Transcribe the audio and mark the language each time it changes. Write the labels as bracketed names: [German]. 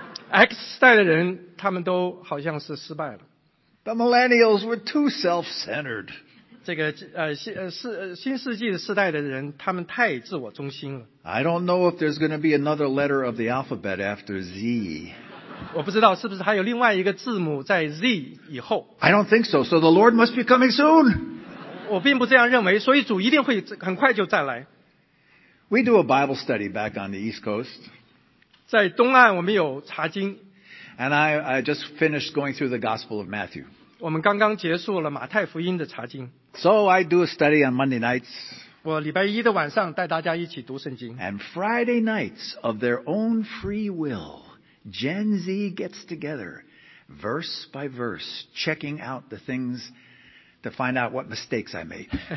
[Chinese] X 世代的人他们都好像是失败了。 [English] The millennials were too self-centered. [Chinese] 这个新世纪世代的人他们太自我中心了。 [English] I don't know if there's going to be another letter of the alphabet after Z. [Chinese] 我不知道是不是还有另外一个字母在 Z 以后。 [English] I don't think so. So the Lord must be coming soon. [Chinese] 我并不这样认为，所以主一定会很快就再来。 [English] We do a Bible study back on the East Coast. [Chinese] 在东岸我们有查经。 [English] And I just finished going through the Gospel of Matthew. [Chinese] 我们刚刚结束了马太福音的查经。 [English] So I do a study on Monday nights. [Chinese] 我礼拜一的晚上带大家一起读圣经。 [English] And Friday nights of their own free will. Gen Z gets together, verse by verse, checking out the things to find out what mistakes I made.